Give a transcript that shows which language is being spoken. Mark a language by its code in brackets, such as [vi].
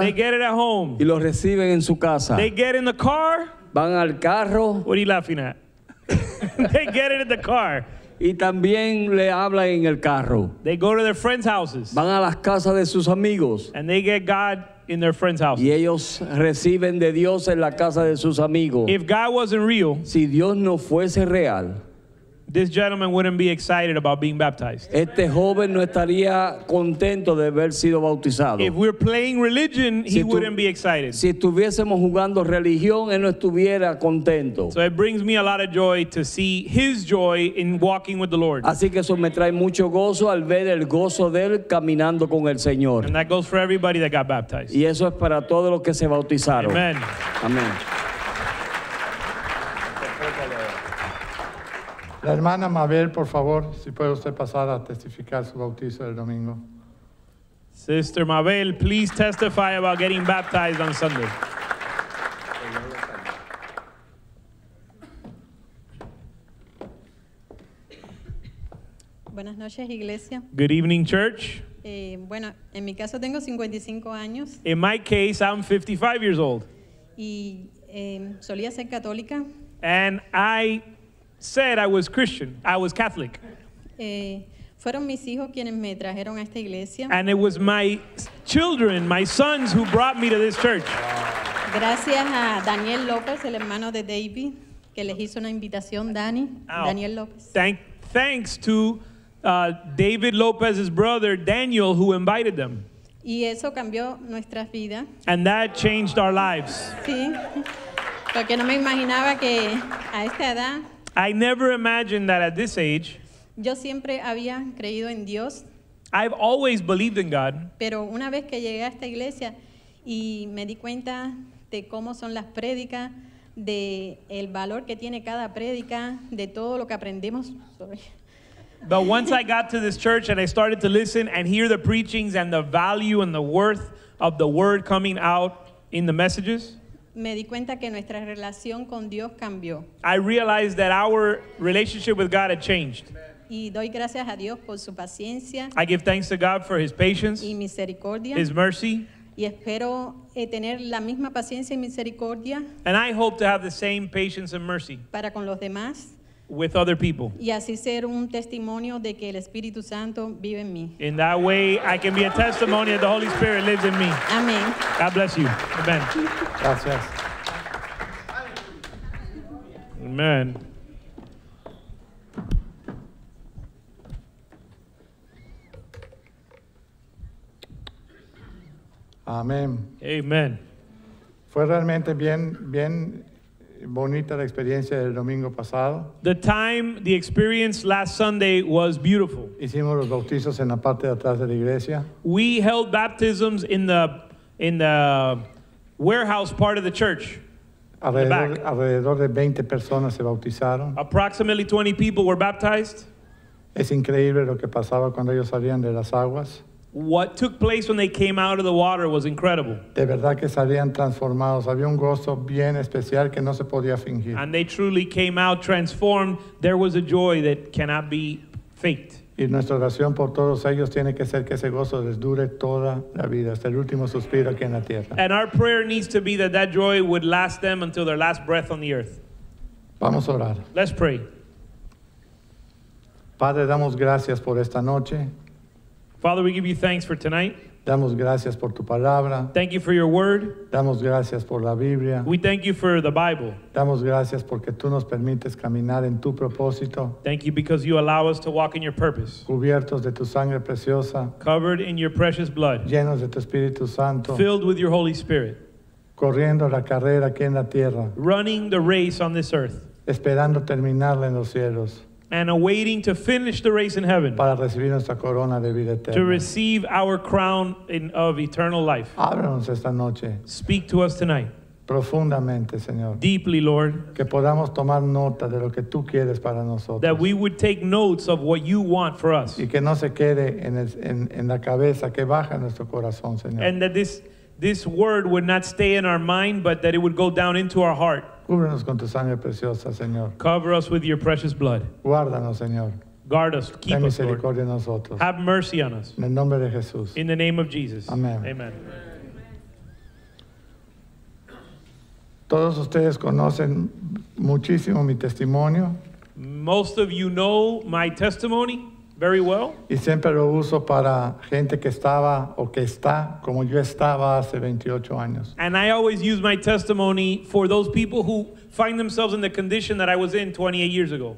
[en] They get it at home. [es] Y los reciben en su casa. [en] They get in the car. [es] Van al carro. [en] What are you laughing at? They get it in the car. [es] Y también le hablan en el carro. [en] They go to their friends' houses. [es] Van a las casas de sus amigos. [en] And they get God in their friends' houses. [es] Y ellos reciben de Dios en la casa de sus amigos. [en] If God wasn't real. [es] Si Dios no fuese real. [en] This gentleman wouldn't be excited about being baptized. [es] Este joven no estaría contento de haber sido bautizado. [en] If we're playing religion, he wouldn't be excited. [es] Si estuviésemos jugando religión, él no estuviera contento. [en] So it brings me a lot of joy to see his joy in walking with the Lord. [es] Así que eso me trae mucho gozo al ver el gozo de él caminando con el Señor. [en] And that goes for everybody that got baptized. [es] Y eso es para todos los que se bautizaron. [en] Amen. Amen. [es] La hermana Mabel, por favor, si puede usted pasar a testificar su bautizo el domingo. [en] Sister Mabel, please testify about getting baptized on Sunday. [es] Well, Buenas noches, iglesia. [en] Good evening, church. [es] Bueno, en mi caso tengo 55 años. [en] In my case, I'm 55 years old. [es] Y solía ser católica. [en] And I said I was Christian. I was Catholic. [es] Fueron mis hijos quienes me trajeron a esta iglesia. [en] And it was my children, my sons, who brought me to this church. [es] Gracias a Daniel López, el hermano de David, que les hizo una invitación, Dani. [en] Oh. Daniel López. Thanks to David López's brother, Daniel, who invited them. [es] Y eso cambió nuestras vidas. [en] And that changed our lives. [es] Sí. Porque no me imaginaba que a esta edad. [en] I never imagined that at this age. [es] Yo siempre había creído en Dios. [en] I've always believed in God. [es] Pero una vez que llegué a esta iglesia y me di cuenta de cómo son las prédicas, de el valor que tiene cada prédica, de todo lo que aprendemos. [en] Sorry. But once I got to this church and I started to listen and hear the preachings and the value and the worth of the word coming out in the messages, [es] me di cuenta que nuestra relación con Dios cambió. [en] I realized that our relationship with God had changed. [es] Y doy gracias a Dios por su paciencia. [en] I give thanks to God for his patience. [es] Y misericordia. [en] His mercy. [es] Y espero tener la misma paciencia y misericordia. [en] And I hope to have the same patience and mercy. [es] Para con los demás. [en] With other people. [es] Y así ser un testimonio de que el Espíritu Santo vive en mí. [en] In that way, I can be a testimony that the Holy Spirit lives in me. [es] Amén. [en] God bless you. Amen. [es] Gracias. [en] Amen. [es] Amén. [en] Amen. [es] Fue realmente bien, bien bonita la experiencia del domingo pasado. [en] The experience last Sunday was beautiful. [es] Hicimos los bautizos en la parte de atrás de la iglesia. [en] We held baptisms in the warehouse part of the church. [es] Alrededor de 20 personas se bautizaron. [en] Approximately 20 people were baptized. [es] Es increíble lo que pasaba cuando ellos salían de las aguas. [en] What took place when they came out of the water was incredible. [es] De verdad que salían transformados. Había un gozo bien especial que no se podía fingir. [en] And they truly came out transformed. There was a joy that cannot be faked. [es] Y nuestra oración por todos ellos tiene que ser que ese gozo les dure toda la vida, hasta el último suspiro aquí en la tierra. [en] And our prayer needs to be that that joy would last them until their last breath on the earth. [es] Vamos a orar. [en] Let's pray. [es] Padre, damos gracias por esta noche. [en] Father, we give you thanks for tonight. [es] Damos gracias por tu palabra. [en] Thank you for your word. [es] Damos gracias por la Biblia. [en] We thank you for the Bible. [es] Damos gracias porque tú nos permites caminar en tu propósito. [en] Thank you because you allow us to walk in your purpose. [es] Cubiertos de tu sangre preciosa. [en] Covered in your precious blood. [es] Llenos de tu Espíritu Santo. [en] Filled with your Holy Spirit. [es] Corriendo la carrera aquí en la tierra. [en] Running the race on this earth. [es] Esperando terminarla en los cielos. [en] And awaiting to finish the race in heaven. [es] Para recibir nuestra corona de vida eterna. [en] To receive our crown of eternal life. [es] Háblanos esta noche. [en] Speak to us tonight. [es] Profundamente, Señor. [en] Deeply, Lord. [es] Que podamos tomar nota de lo que tú quieres para nosotros. [en] That we would take notes of what you want for us. [es] Y que no se quede en la cabeza, que baja nuestro corazón, Señor. [en] And that this word would not stay in our mind, but that it would go down into our heart. [es] Cúbrenos con tu sangre preciosa, Señor. [en] Cover us with your precious blood. [es] Guárdanos, Señor. [en] Guard us, keep us, misericordia Lord. [es] Nosotros. [en] Have mercy on us. [es] En el nombre de Jesús. [en] In the name of Jesus. [es] Amén. [en] Amen. [es] Todos ustedes conocen muchísimo mi testimonio. [en] Most of you know my testimony very well. [es] Y siempre lo uso para gente que estaba o que está como yo estaba hace 28 años. [en] And I always use my testimony for those people who find themselves in the condition that I was in 28 years ago.